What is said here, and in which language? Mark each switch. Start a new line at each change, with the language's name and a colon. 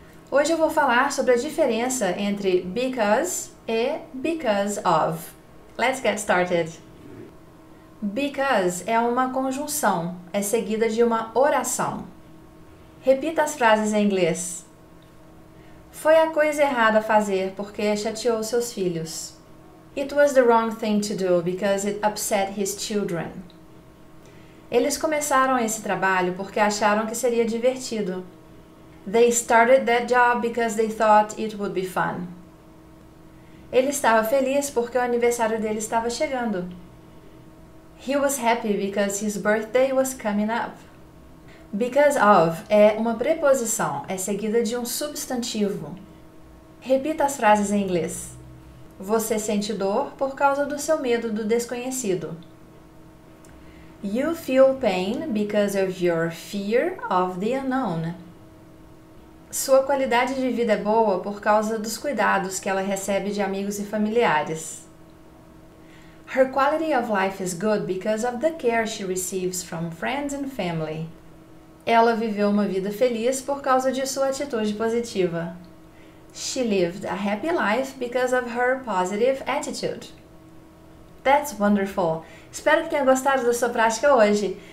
Portuguese: Hoje eu vou falar sobre a diferença entre because e because of.
English: Let's get started!
Portuguese: Because é uma conjunção, é seguida de uma oração. Repita as frases em inglês. Foi a coisa errada a fazer porque chateou seus filhos.
English: It was the wrong thing to do because it upset his children.
Portuguese: Eles começaram esse trabalho porque acharam que seria divertido.
English: They started that job because they thought it would be fun.
Portuguese: Ele estava feliz porque o aniversário dele estava chegando.
English: He was happy because his birthday was coming up.
Portuguese: Because of é uma preposição, é seguida de um substantivo. Repita as frases em inglês. Você sente dor por causa do seu medo do desconhecido.
English: You feel pain because of your fear of the unknown.
Portuguese: Sua qualidade de vida é boa por causa dos cuidados que ela recebe de amigos e familiares.
English: Her quality of life is good because of the care she receives from friends and family.
Portuguese: Ela viveu uma vida feliz por causa de sua atitude positiva.
English: She lived a happy life because of her positive attitude. That's wonderful!
Portuguese: Espero que tenha gostado da sua prática hoje.